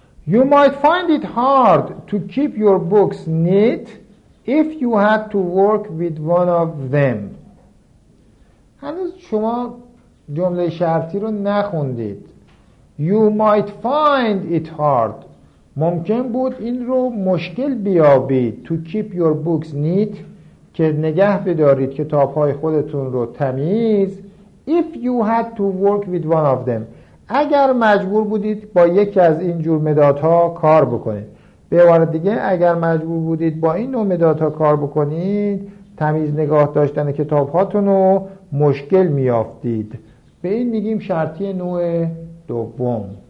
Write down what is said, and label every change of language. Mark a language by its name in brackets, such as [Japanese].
[English] You might find it hard to keep your books neat if you had to work with one of them. [Persian] هنوز شما جمله شرطی رو نخوندید. [English] You might find it hard. [Persian] ممکن بود این رو مشکل بیابید. [English] To keep your books neat. [Persian] که نگه بدارید کتاب های خودتون رو تمیز. [English] If you had to work with one of them. [Persian] اگر مجبور بودید با یکی از این جور مدادها کار بکنید. به عبارت دیگه، اگر مجبور بودید با این نوع مدادها کار بکنید، تمیز نگاه داشتن کتاب هاتون رو مشکل میافتید. به این میگیم شرطی نوع دوم.